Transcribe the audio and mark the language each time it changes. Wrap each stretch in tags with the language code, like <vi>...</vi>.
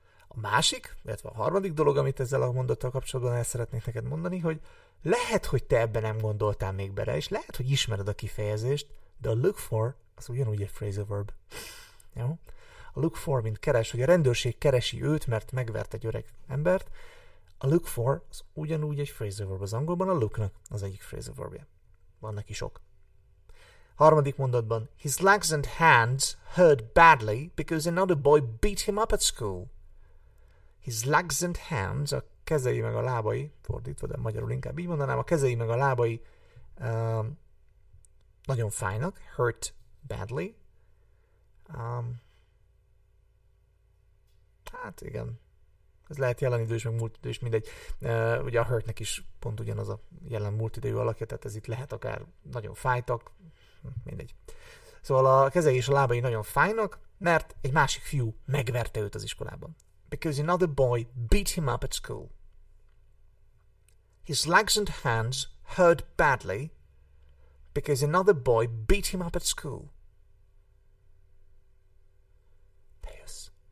<hu>A másik, illetve a harmadik dolog, amit ezzel a mondattal kapcsolatban el szeretnék neked mondani, hogy lehet, hogy te ebben nem gondoltál még bele, és lehet, hogy ismered a kifejezést, de a look for, az ugyanúgy egy phrasal verb. Jó? a look for, mint keres, hogy a rendőrség keresi őt, mert megvert egy öreg embert, a look for az ugyanúgy egy phrasal verb az angolban, a looknak az egyik phrasal verbje. Van neki sok. Harmadik mondatban,</hu> <en>his legs and hands hurt badly because another boy beat him up at school. His legs and hands,</en> <hu>a kezei meg a lábai, fordítva, de magyarul inkább így mondanám, a kezei meg a lábai nagyon fájnak,</hu> <en>hurt badly.</en> <hu>Hát igen, ez lehet jelen idő is, meg múlt idő is, mindegy. Ugye a hurtnek is pont ugyanaz a jelen múlt idejű alakja, tehát ez itt lehet akár nagyon fájtak, mindegy. Szóval a kezei és a lábai nagyon fájnak, mert egy másik fiú megverte őt az iskolában.</hu> <en>Because another boy beat him up at school. His legs and hands hurt badly because another boy beat him up at school. Deus.</en>